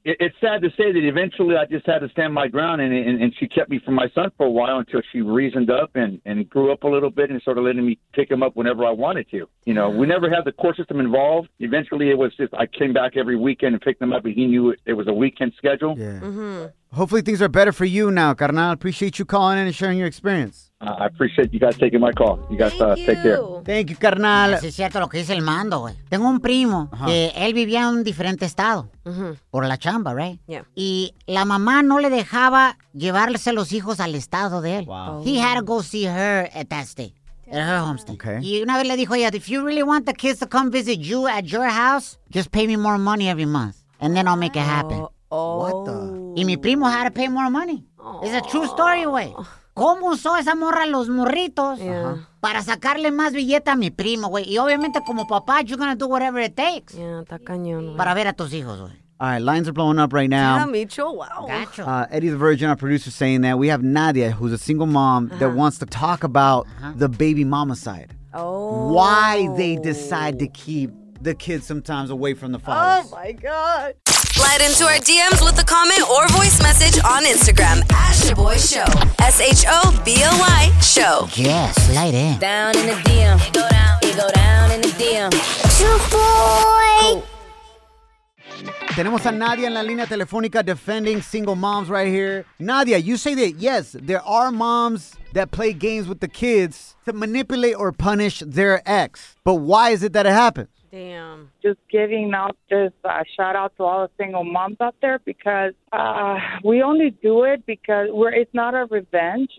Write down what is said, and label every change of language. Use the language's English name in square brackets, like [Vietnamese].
[English] It's sad to say that eventually I just had to stand my ground, and she kept me from my son for a while until she reasoned up and grew up a little bit and started letting me pick him up whenever I wanted to. You know, we never had the court system involved. Eventually, it was just I came back every weekend and picked him up, and he knew it was a weekend schedule. Yeah. Mm-hmm. Hopefully things are better for you now, carnal. Appreciate you calling in and sharing your experience. I appreciate you guys taking my call. You guys take care. Thank you, carnal. [Spanish] Sí, es cierto lo que dice el mando, güey. Tengo un primo que él vivía en un diferente estado por la chamba, [English] right? Yeah. [Spanish] Y la mamá no le dejaba llevarse los hijos al estado de él. [English] Wow. He had to go see her at that state. At her homestead. Okay. [Spanish] Y una vez le dijo, [English] if you really want the kids to come visit you at your house, just pay me more money every month. And then I'll make it happen. Oh. What the? [Spanish] Y mi primo [English] had to pay more money. Oh. It's a true story, güey. [Spanish] ¿Cómo usó esa morra los morritos para sacarle más billete a mi primo, güey? Y obviamente como papá, [English] you're going to do whatever it takes. [Spanish] Yeah, está cañón, para ver a tus hijos, güey. [English] All right, lines are blowing up right now. Yeah, Mitchell, wow. Gotcha. Eddie the Virgin, our producer, saying that we have Nadia, who's a single mom, that wants to talk about the baby mama side. Oh. Why they decide to keep the kids sometimes away from the fathers. Oh, my God. Slide into our DMs with a comment or voice message on Instagram at Shaboy Show. S-H-O-B-O-Y Show. Yeah, slide in. Down in the DM. You go down in the DM. Shaboy. [Spanish] Tenemos a Nadia en la línea telefónica [English] defending single moms right here. Nadia, you say that, yes, there are moms that play games with the kids to manipulate or punish their ex. But why is it that it happens? Damn. Just giving out this shout out to all the single moms out there because we only do it because it's not a revenge.